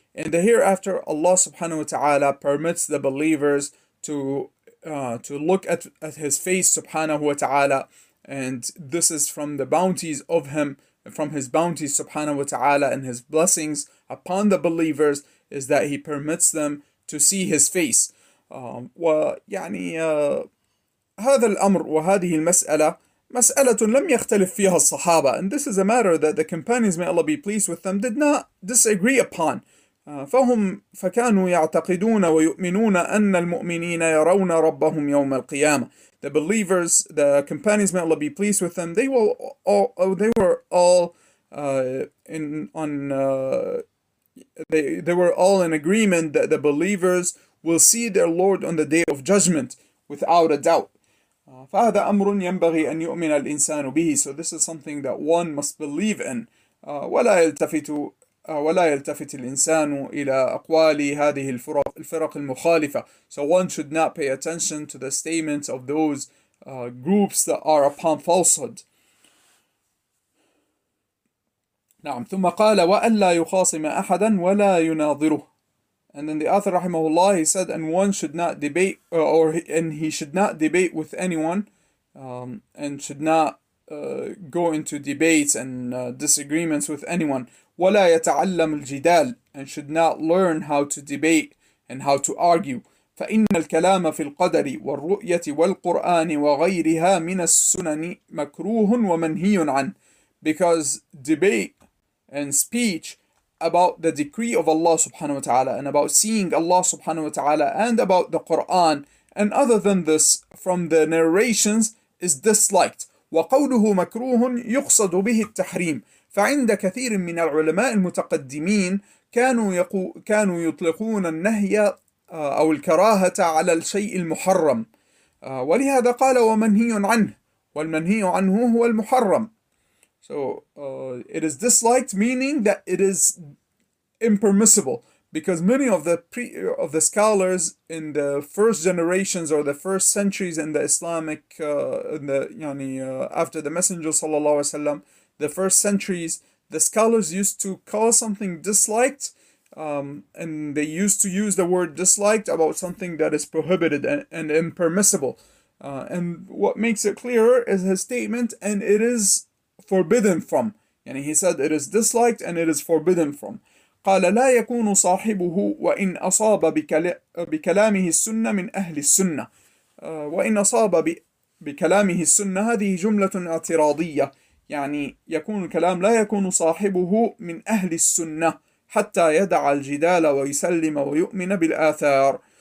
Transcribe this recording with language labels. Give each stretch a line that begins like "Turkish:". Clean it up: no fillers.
English: In the hereafter, Allah subhanahu wa ta'ala permits the believers to look at his face subhanahu wa ta'ala, and this is from the bounties of him, from his bounties subhanahu wa ta'ala, and his blessings upon the believers is that he permits them to see his face.
Arabic: ويعني هذا الأمر وهذه المسألة مسألة لم يختلف فيها الصحابة.
English: And this is a matter that the companions, may Allah be pleased with them, did not disagree upon.
Arabic: فكانوا يعتقدون ويؤمنون أن المؤمنين يرون ربهم يوم القيامة.
English: The believers, the companions, may Allah be pleased with them, they were all in agreement that the believers will see their Lord on the Day of Judgment without a doubt.
Arabic: فهذا أمر ينبغي أن يؤمن الإنسان به.
English: So this is something that one must believe in.
Arabic: ولا يلتفت الإنسان إلى أقوال هذه الفرق المخالفة.
English: So one should not pay attention to the statements of those groups that are upon falsehood.
Arabic: نعم ثم قال وألا يخاصم أحدا ولا يناظره.
English: And then the author رحمه الله, he said, and one should not debate with anyone, and should not go into debates and disagreements with anyone.
Arabic: ولا يتعلم الجدال,
English: and should not learn how to debate and how to argue.
Arabic: فإن الكلام في القدر والرؤية والقرآن وغيرها من السنن مكروه ومنهي عن.
English: Because debate and speech about the decree of Allah subhanahu wa ta'ala and about seeing Allah subhanahu wa ta'ala and about the Quran and other than this from the narrations is disliked.
Arabic: وقوله مكروه يقصد به التحريم. فعند كثير من العلماء المتقدمين كانوا يطلقون النهي أو الكراهة على الشيء المحرم. ولهذا قال ومنهي عنه, والمنهي عنه هو المحرم.
English: So it is disliked, meaning that it is impermissible, because many of the scholars in the first generations or the first centuries in the Islamic after the Messenger sallallahu alaihi wasallam, the first centuries, the scholars used to call something disliked, and they used to use the word disliked about something that is prohibited and impermissible. And what makes it clearer is his statement, and it is forbidden from. يعني he said it is disliked and it is forbidden from.
Arabic: قال لا يكون صاحبه وإن أصاب بكلامه السنة من أهل السنة. وإن أصاب بكلامه السنة هذه جملة اعتراضية. يعني يكون الكلام لا يكون صاحبه من أهل السنة حتى يدع الجدال ويسلم ويؤمن بالآثار.